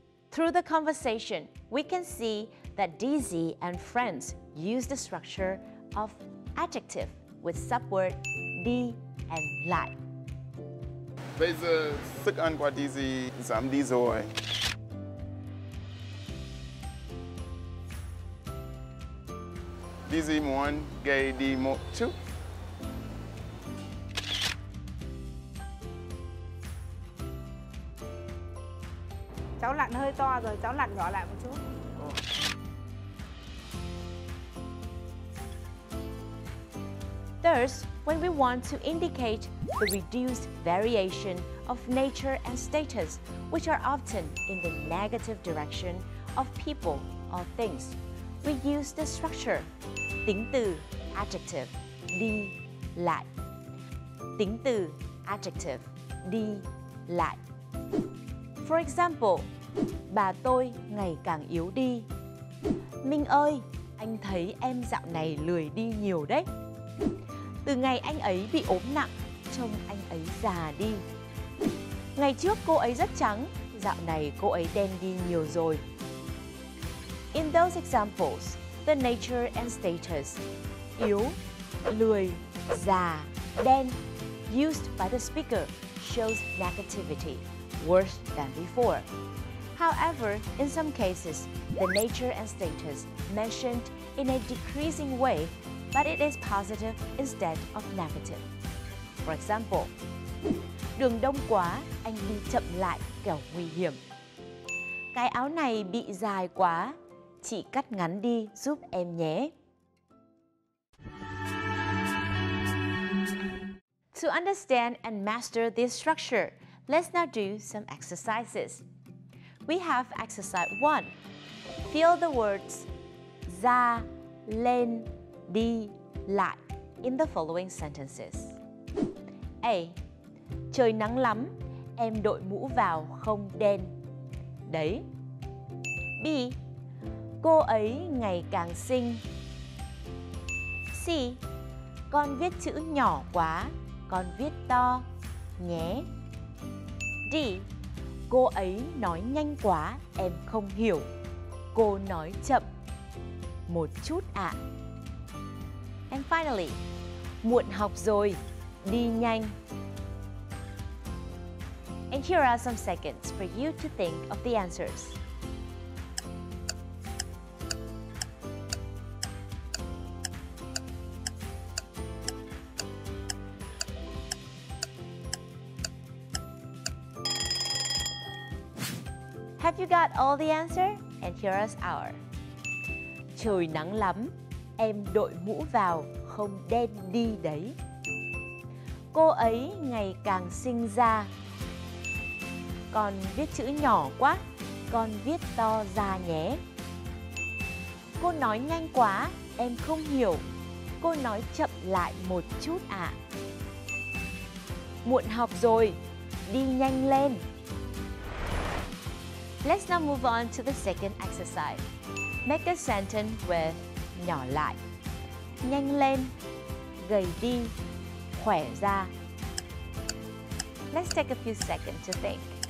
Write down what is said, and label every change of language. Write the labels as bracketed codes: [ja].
[en] Through the conversation, we can see that DZ and friends use the structure of adjective with subword đi and lại. [vi] Bây giờ sức ăn của DZ giảm đi rồi. DZ muốn gây đi một chút. Cháu lặn hơi to rồi, cháu lặn nhỏ lại một chút. [en] Thus, when we want to indicate the reduced variation of nature and status, which are often in the negative direction of people or things, we use the structure [vi] tính từ [en] adjective đi lại. [vi] Tính từ adjective đi lại. [en] For example, [vi] bà tôi ngày càng yếu đi. Minh ơi, anh thấy em dạo này lười đi nhiều đấy. Từ ngày anh ấy bị ốm nặng, trông anh ấy già đi. Ngày trước cô ấy rất trắng, dạo này cô ấy đen đi nhiều rồi. [en] In those examples, the nature and status yếu, lười, già, đen used by the speaker shows negativity worse than before. However, in some cases, the nature and status mentioned in a decreasing way, but it is positive instead of negative. For example, [vi] đường đông quá, anh đi chậm lại, kẻo nguy hiểm. Cái áo này bị dài quá, chị cắt ngắn đi giúp em nhé. [en] To understand and master this structure, let's now do some exercises. We have exercise 1. Fill the words ra, lên, đi, lại in the following sentences. A. [vi] Trời nắng lắm, em đội mũ vào không đen. Đấy. B. Cô ấy ngày càng xinh. C. Con viết chữ nhỏ quá, con viết to nhé. D. Cô ấy nói nhanh quá, em không hiểu. Cô nói chậm một chút ạ. [en] And finally, [vi] muộn học rồi, đi nhanh. [en] And here are some seconds for you to think of the answers. Have you got all the answer? And here is our. [vi] Trời nắng lắm, em đội mũ vào không đen đi đấy. Cô ấy ngày càng xinh ra. con viết chữ nhỏ quá, con viết to ra nhé. Cô nói nhanh quá, em không hiểu. Cô nói chậm lại một chút ạ. Muộn học rồi, đi nhanh lên. [en] Let's now move on to the second exercise. Make a sentence with nhỏ lại, nhanh lên, gầy đi, khỏe ra. Let's take a few seconds to think.